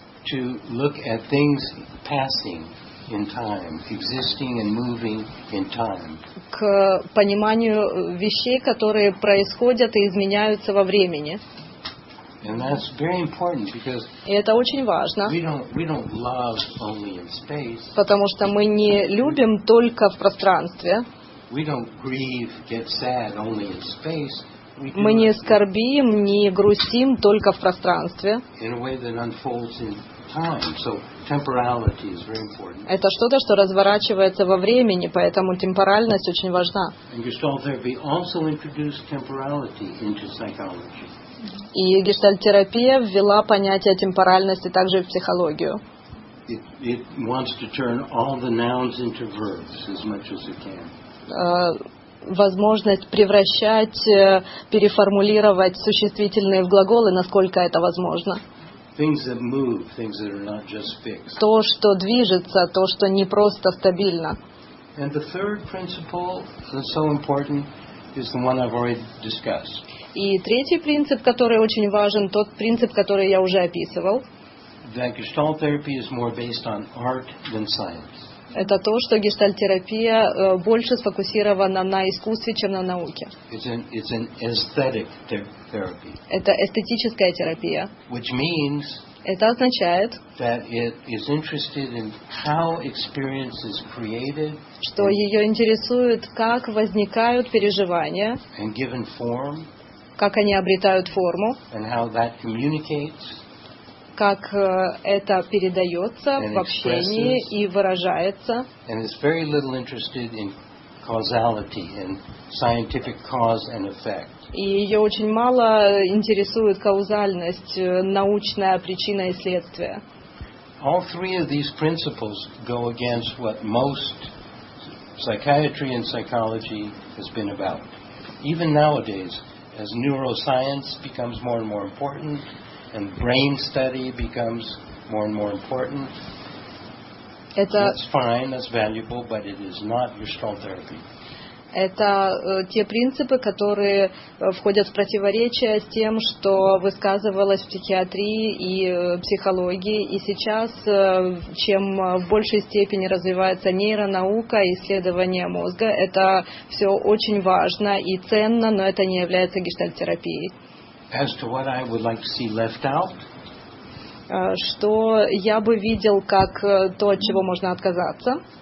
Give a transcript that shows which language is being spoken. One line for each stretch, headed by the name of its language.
English: to look at things passing in time, existing and moving in time.
Russian: К пониманию вещей, которые происходят и изменяются во времени.
English: And that's very important because we don't love only in space.
Russian: Потому что мы не любим только в пространстве.
English: We don't grieve, get sad only in space.
Russian: Мы не скорбим, не грустим только в пространстве.
English: In a way that unfolds in time, so temporality is very important.
Russian: Это что-то, что разворачивается во времени, поэтому темпоральность очень важна.
English: And Gestalt therapy also introduced temporality into psychology.
Russian: И гештальт-терапия ввела понятие темпоральности также в психологию.
English: It wants to turn all the nouns into verbs as much as it can.
Russian: Возможность превращать, переформулировать существительные в глаголы, насколько это возможно.
English: Things that move, things that are not just fixed.
Russian: То, что движется, то, что не просто стабильно.
English: And the third principle that's so important is the one I've already discussed.
Russian: И третий принцип, который очень важен, тот принцип, который я уже описывал.
English: That gestalt-терапия is more based on art than science.
Russian: Это то, что гештальт-терапия больше сфокусирована на искусстве, чем на науке.
English: It's an aesthetic therapy.
Russian: Это эстетическая терапия.
English: Which means
Russian: это означает,
English: that it is interested in how experience is created,
Russian: что ее интересует, как возникают переживания,
English: and given form,
Russian: как они обретают форму,
English: and how that communicates,
Russian: как это передается в общении и выражается,
English: and is very little interested in causality and scientific cause and effect.
Russian: И ее очень мало интересует каузальность, научная причина и следствие.
English: All three of these principles go against what most psychiatry and psychology has been about. Even nowadays, as neuroscience becomes more and more important, and brain study becomes more and more important, that's fine, that's valuable, but it is not Gestalt therapy.
Russian: Это те принципы, которые входят в противоречие с тем, что высказывалось в психиатрии и психологии. И сейчас, чем в большей степени развивается нейронаука и исследование мозга, это все очень важно и ценно, но это не является гештальт-терапией.
English: As to what I would like to see left out,
Russian: что я бы видел как то, от чего можно отказаться,